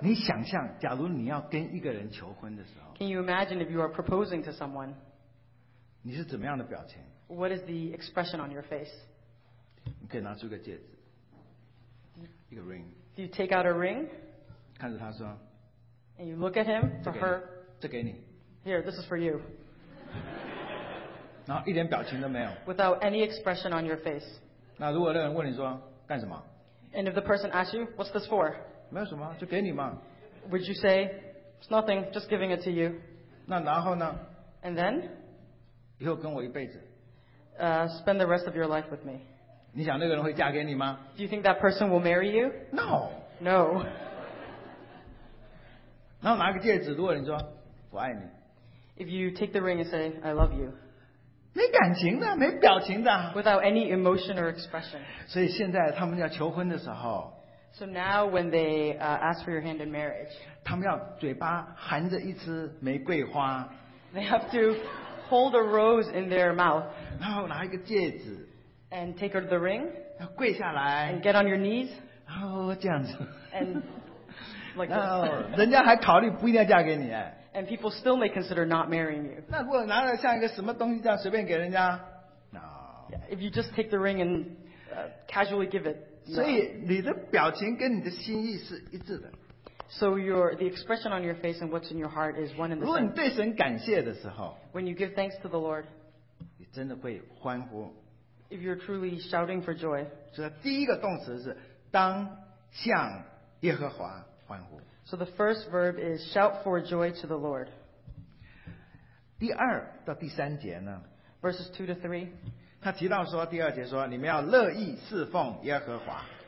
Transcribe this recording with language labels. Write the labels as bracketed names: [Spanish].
[Chinese] 你想象，假如你要跟一个人求婚的时候 [English] ，Can you imagine if you are proposing to someone? [Chinese] 你是怎么样的表情 [English] ？What is the expression on your face? [Chinese] 你可以拿出个戒指，一个 ring。 [English] Do you take out a ring? [Chinese] 看着他说 [English] And you look at him for her. [Chinese] 这给你 [English] Here, this is for you. [Chinese] 然后一点表情都没有 [English] Without any expression on your face. [Chinese] 那如果那人问你说干什么 [English] And if the person asks you, what's this for? [Chinese] 没有什么，就给你嘛 [English] Would you say, it's nothing, just giving it to you. [Chinese] 那然后呢 [English] And then? [Chinese] 以后跟我一辈子 [English] Spend the rest of your life with me. [Chinese] 你想那个人会嫁给你吗 [English] Do you think that person will marry you? No. No. [Chinese] 然后拿个戒指，如果你说我爱你 [English] ，If you take the ring and say I love you， [Chinese] 没感情的，没表情的 [English] ，Without any emotion or expression。 [Chinese] 所以现在他们要求婚的时候 [English] ，So now when they ask for your hand in marriage， [Chinese] 他们要嘴巴含着一支玫瑰花 [English] ，They have to hold a rose in their mouth， [Chinese] 然后拿一个戒指。 [English] And take her to the ring. [Chinese] 要跪下来 [English] And get on your knees. [Chinese] 哦，这样子 [English] And like that. [Chinese] 然后人家还考虑不一定要嫁给你 [English] And people still may consider not marrying you. [Chinese] 那如果拿了像一个什么东西这样随便给人家 No. [English] If you just take the ring and casually give it. [Chinese] 所以你的表情跟你的心意是一致的 [English] So the expression on your face and what's in your heart is one and the same. [Chinese] 如果你对神感谢的时候 [English] When you give thanks to the Lord. [Chinese] 你真的会欢呼 [English] If you're truly shouting for joy. [Chinese] 所以第一个动词是当向耶和华欢呼。 [English] So the first verb is shout for joy to the Lord. [Chinese] 第二到第三节呢 [English] ？Verses 2-3. [Chinese] 他提到说，第二节说你们要乐意侍奉耶和华。